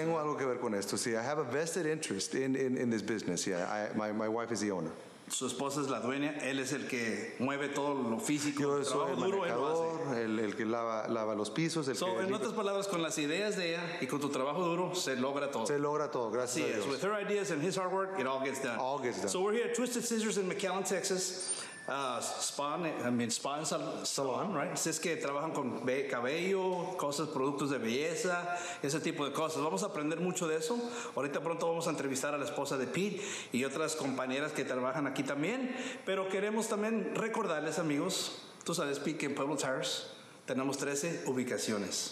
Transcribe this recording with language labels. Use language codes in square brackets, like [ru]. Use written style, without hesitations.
[es] Tengo algo que ver con esto, sí. [en] I have a vested interest in this business, yeah. My wife is the owner. [es] Su esposa es la dueña, él es el que mueve todo lo físico. Yo soy el manejador, el que lava los pisos. En otras palabras, con las ideas de ella y con tu trabajo duro, se logra todo. Se logra todo, gracias a Dios. [en] With her ideas and his hard work, it all gets done. All gets done. So we're here at Twisted Scissors in McAllen, Texas. Spa salon, right? [es] Si es que trabajan con cabello, cosas, productos de belleza, ese tipo de cosas. Vamos a aprender mucho de eso. Ahorita pronto vamos a entrevistar a la esposa de Pete y otras compañeras que trabajan aquí también. Pero queremos también recordarles, amigos, tú sabes, Pete, que en Pueblo Tires tenemos 13 ubicaciones.